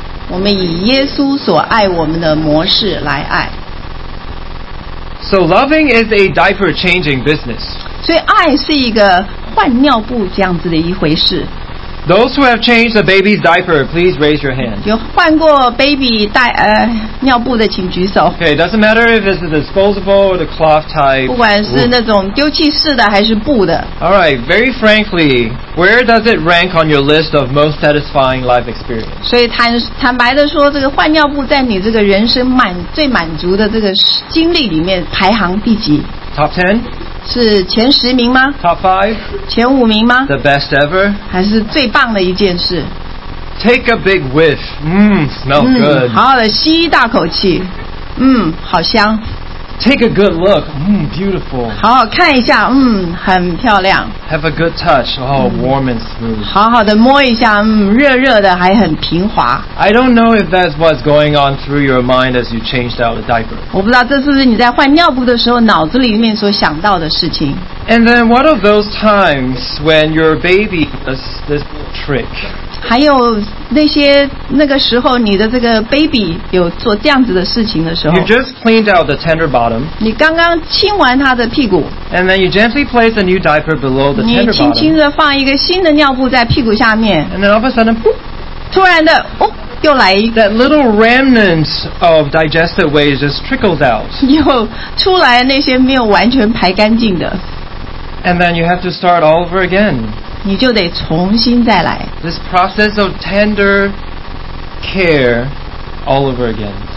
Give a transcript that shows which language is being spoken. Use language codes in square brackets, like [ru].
[zh] 我们以我们为耶稣所爱的身份来爱。 [en] So loving is a diaper changing business. [zh] 所以爱是一个换尿布这样子的一回事。 [en] Those who have changed the baby's diaper, please raise your hand. [zh] 有换过 baby 尿布的，请举手。 [en] Okay, doesn't matter if it's the disposable or the cloth type. [zh] 不管是那种丢弃式的还是布的。 [en] All right, very frankly, where does it rank on your list of most satisfying life experience? [zh] 所以坦白的说，这个换尿布在你这个人生最满足的这个经历里面排行第几？ [en] Top 10? [zh] 是前十名吗? [en] Top 5? [zh] 前五名吗? [en] The best ever? [zh] 还是最棒的一件事? [en] Take a big whiff. Smells good. [zh] 好好的吸一大口气。好香。 [en] Take a good look. Beautiful. [zh] 好好看一下。很漂亮。 [en] Have a good touch. Warm and smooth. [zh] 好好的摸一下。热热的还很平滑。 [en] I don't know if that's what's going on through your mind as you changed out the diaper. [zh] 我不知道这是不是你在换尿布的时候脑子里面所想到的事情。 [en] And then what of those times when your baby does this trick? [zh] 还有那些那个时候你的这个baby有做这样子的事情的时候， [en] You just cleaned out the tender bottom. [zh] 你刚刚清完他的屁股。 [en] And then you gently place a new diaper below the tender bottom. [zh] 你轻轻地放一个新的尿布在屁股下面。 [en] And then all of a sudden, [zh] 突然的, 哦, 又来一, [en] That little remnant of digestive waste just trickles out. [zh] 又出来那些没有完全排干净的。 [en] And then you have to start all over again. This process of tender care all over again.